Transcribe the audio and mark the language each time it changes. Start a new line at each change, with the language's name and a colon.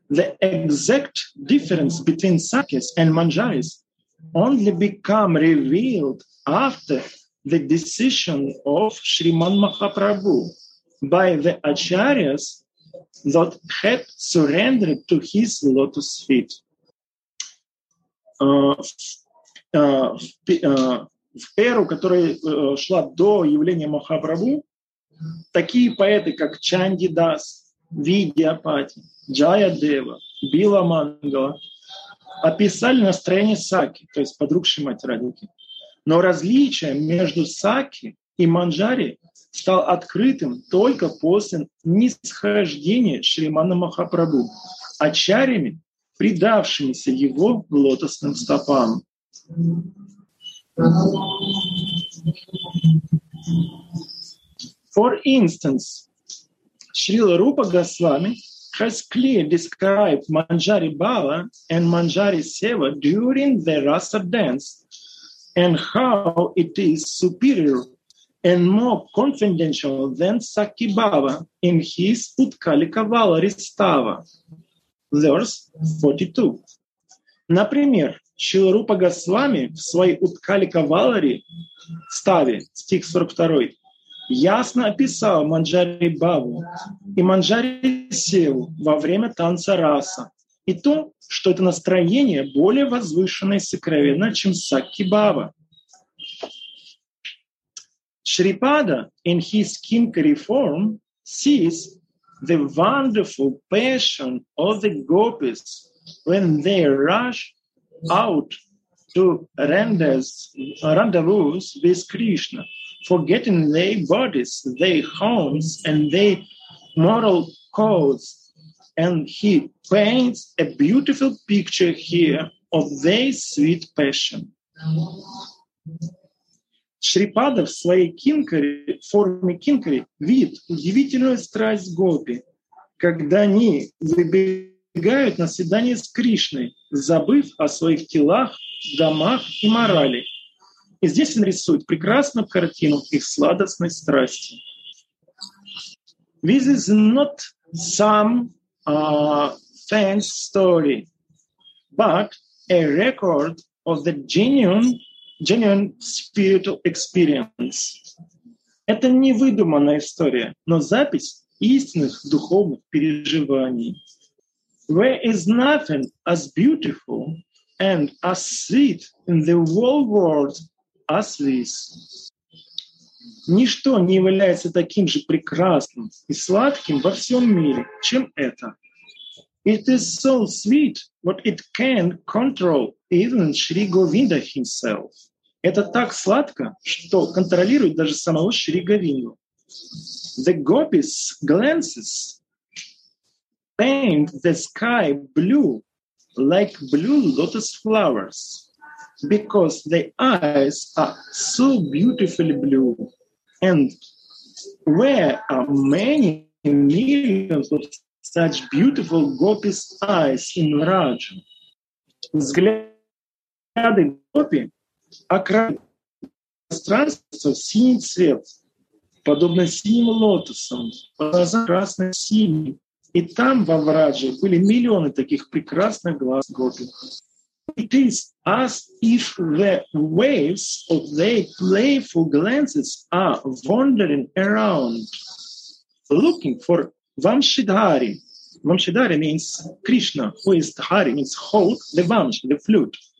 English: The exact difference between Sakhis and Manjaris only become revealed after the decision of Sriman Mahaprabhu by the Acharyas that had surrendered to his lotus feet.
Russian: В эру, которая шла до явления Махапрабху, такие поэты, как Чандидас, Видьяпати, Джаядева, Биламангала описали настроение Сакхи, то есть подруг Шримати Радхики. Но различие между Сакхи и Манджари стал открытым только после нисхождения Шримана Махапрабху, ачарьями, предавшимися его лотосным стопам.
English: For instance, Srila Rupa Goswami has clearly described Manjari Bala and Manjari Seva during the Rasa dance and how it is superior and more confidential than Sakhi Bhava in his Utkalika Vala Ristava. Verse 42.
Russian: Например, Шрила Рупа Госвами в своей Уткалика Валари ставе, стих 42, ясно описал Манджари Бхаву и Манджари Севу во время танца раса и то, что это настроение более возвышенное и сокровенное, чем Сакхи Бхава.
English: Шрипада in his Kinkari form sees the wonderful passion of the gopis when they rush out to rendezvous with Krishna, forgetting their bodies, their homes, and their moral codes. And he paints a beautiful picture here of their sweet passion.
Russian: Шрипада в своей кинкаре, форме кинкари, видит удивительную страсть гопи, когда они выбегают на свидание с Кришной, забыв о своих телах, домах и морали. И здесь он рисует прекрасную картину их сладостной страсти.
English: This is not some fancy story, but a record of the genuine spiritual experience.
Russian: Это не выдуманная история, но запись истинных духовных переживаний.
English: Where is nothing as beautiful and as sweet in the whole world as this?
Russian: Ничто не является таким же прекрасным и сладким во всем мире, чем это.
English: It is so sweet, but it can control even Shri Govinda himself.
Russian: Это так сладко, что контролирует даже самого Шри Говинду.
English: The gopis glances paint the sky blue, like blue lotus flowers, because the eyes are so beautifully blue. And where are many millions of such beautiful gopis eyes in Raj?
Russian: Взгляды гопи окрашивают пространство в синий цвет, подобно синим лотосам, красным синим. И там во Враже были миллионы таких прекрасных глаз гопи.
English: It is as if the waves of their playful glances are wandering around, looking for Vamshidhari. Vamshidhari means Krishna, who is Dhari, means hold the Vamsh, the flute.